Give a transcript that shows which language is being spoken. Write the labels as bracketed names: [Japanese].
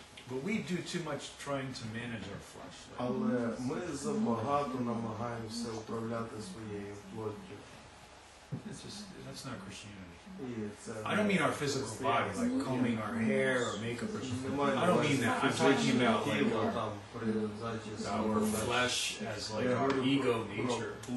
[English] But we do too much trying to manage our flesh. [Ukrainian] Але ми забагато намагаємося управляти своєю плоттю. [English] That's not Christianity. I don't mean our physical body, like combing our hair or makeup or something. I don't mean that. I'm talking about our flesh as like our ego nature.